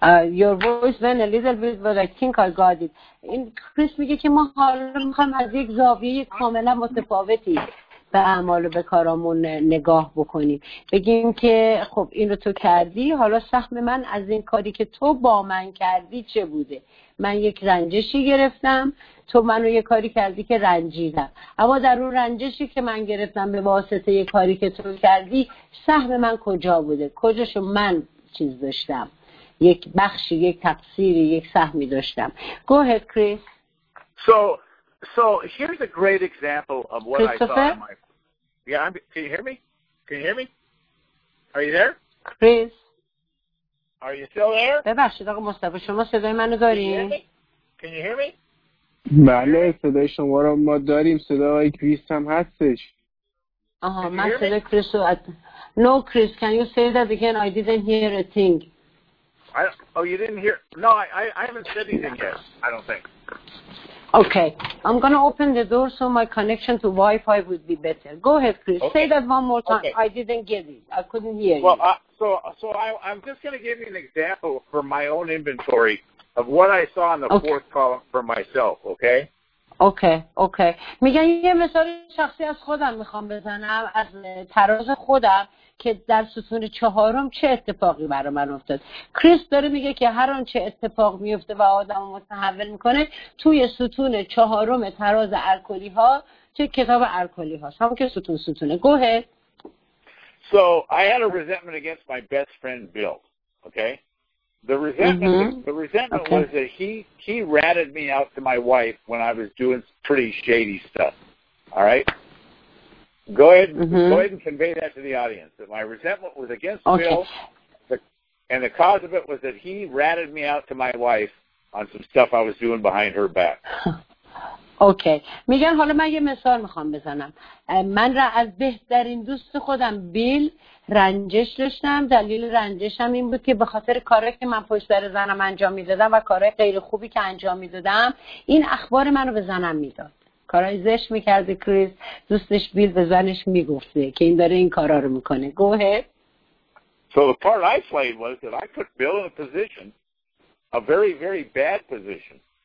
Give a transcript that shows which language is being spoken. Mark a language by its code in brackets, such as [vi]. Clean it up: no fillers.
[en] Your voice went a little bit, but I think I got it. [fa] In Chris میگه که ما حالا میخوایم از یک زاویه کاملا متفاوتی به اعمال و به کارامون نگاه بکنیم. بگیم که خب اینو تو کردی، حالا سهم من از این کاری که تو با من کردی چه بوده؟ من یک رنجشی گرفتم، تو منو یک کاری کردی که رنجیدم، اما در اون رنجشی که من گرفتم به واسطه یک کاری که تو کردی، سهم من کجا بوده؟ کجاشو من چیز داشتم؟ یک بخشی، یک تقصیری، یک سهمی داشتم. [en] Go ahead, Chris. So here's a great example of what I thought. Christopher? Can you hear me? Can you hear me? Are you there? Chris. Are you still there? [fa] ببخشید آقا مصطفی، شما صدای منو دارین؟ [en] Can you hear me? [fa] بله، صدای شما رو ما داریم، صدای کریس هم هستش. آها، من صدای کریس رو [en] No, Chris, can you say that again? I didn't hear a thing. Oh, you didn't hear? No, I haven't said anything yet, I don't think. Okay, I'm going to open the door so my connection to Wi-Fi would be better. Go ahead, Chris. Okay. Say that one more time. Okay. I didn't get it. I couldn't hear well, you. I'm just going to give you an example from my own inventory of what I saw in the fourth column for myself, okay? Okay. [fa] میگن یه مثال شخصی از خودم میخوام بزنم از تراز خودم که در ستون چهارم چه اتفاقی برای من افتاد. کریس داره میگه که هر اون چه اتفاق میفته و آدم رو متحول میکنه توی ستون چهارم تراز الکلی ها توی کتاب الکلی هاست. همون که ستونه. [en] Go ahead. So I had a resentment against my best friend Bill. Okay? The resentment was that he ratted me out to my wife when I was doing pretty shady stuff. All right? Go ahead and convey that to the audience. That my resentment was against Bill, and the cause of it was that he ratted me out to my wife on some stuff I was doing behind her back. [fa] اوکی میگن حالا من یه مثال میخوام بزنم. من را از بهترین دوست خودم بیل رنجش داشتم. دلیل رنجشم این بود که به خاطر کاری که من پشت سر زنم انجام میدادم و کارهای غیر خوبی که انجام میدادم، این اخبار منو به زنم میداد. کارای زشت میکرد کریس، دوستش بیل به زنش میگفته که این داره این کارا رو میکنه. [en] Go ahead. So the part I played was that I put Bill in a position, a very very bad position.